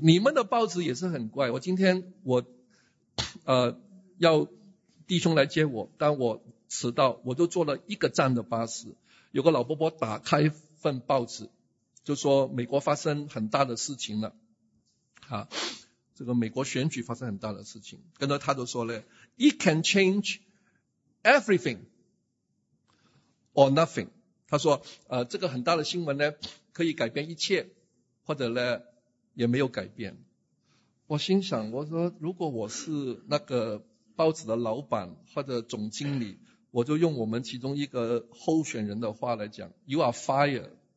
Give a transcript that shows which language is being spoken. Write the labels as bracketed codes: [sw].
[zh] 你们的报纸也是很怪。我今天我要弟兄来接我，但我迟到，我就坐了一个站的巴士。有个老伯伯打开份报纸，就说美国发生很大的事情了，啊，这个美国选举发生很大的事情。跟着他就说了 ， [en] It can change everything or nothing。 [zh] 他说，这个很大的新闻呢，可以改变一切，或者呢，也没有改变。我心想，我说如果我是那个报纸的老板或者总经理，我就用我们其中一个候选人的话来讲 ， [en] You are fired。